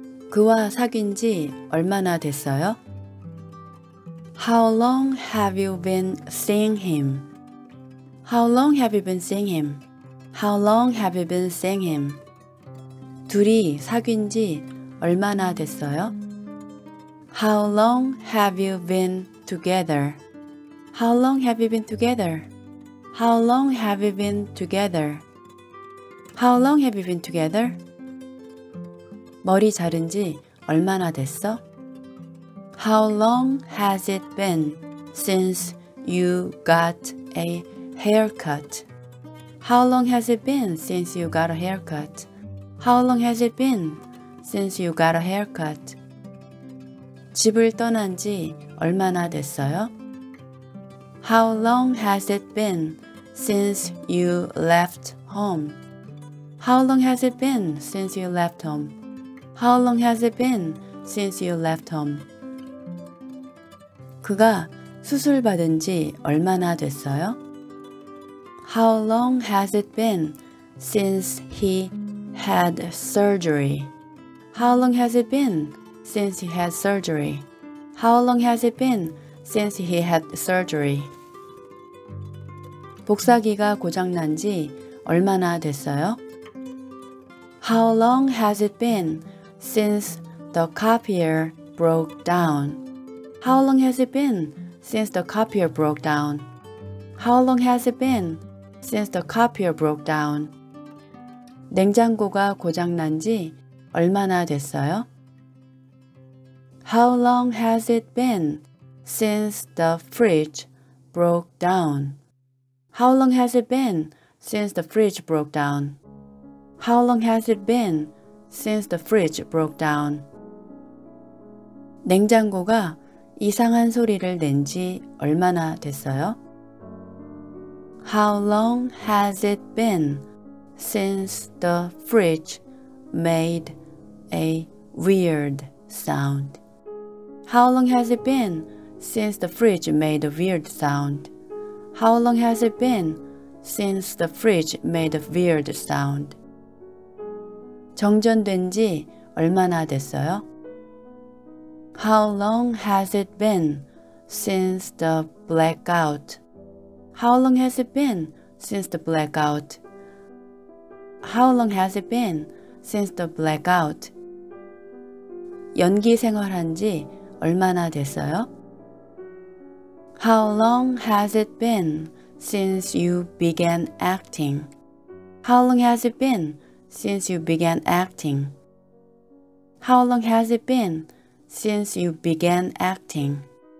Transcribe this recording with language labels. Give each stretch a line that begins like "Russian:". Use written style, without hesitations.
Korean: 그와 사귄 지 얼마나 됐어요?
English: How long have you been seeing him? How long have you been seeing him? How long have you been seeing him?
Korean: 둘이 사귄 지 얼마나 됐어요?
English: How long have you been together? How long have you been together? How long have you been together? How long have you been together?
Korean: 머리 자른 지 얼마나 됐어?
English: How long has it been since you got a haircut? How long has it been since you got a haircut? How long has it been since you got a haircut?
Korean: 집을 떠난 지 얼마나 됐어요?
English: How long has it been since you left home? How long has it been since you left home? How long has it been since you left home?
Korean: 그가 수술 받은 지 얼마나 됐어요?
English: How long has it been since he had surgery? How long has it been since he had surgery? How long has it been since he had surgery?
Korean: 복사기가 고장 난 지 얼마나 됐어요?
English: How long has it been since the copier broke down? How long has it been since the copier broke down? How long has it been since the copier broke down?
Korean: 냉장고가 고장 난 지 얼마나 됐어요?
English: How long has it been since the fridge broke down? How long has it been since the fridge broke down? How long has it been since the fridge broke down?
Korean: 냉장고가 이상한 소리를 낸 지 얼마나 됐어요?
English: How long has it been since the fridge made a weird sound? How long has it been since the fridge made a weird sound? How long has it been since the fridge made a weird sound?
Korean: 정전된 지 얼마나 됐어요?
English: How long has it been since the blackout? How long has it been since the blackout? How long has it been since the blackout?
Korean: 연기 생활한 지 얼마나 됐어요?
English: How long has it been since you began acting? How long has it been since you began acting? How long has it been since you began acting?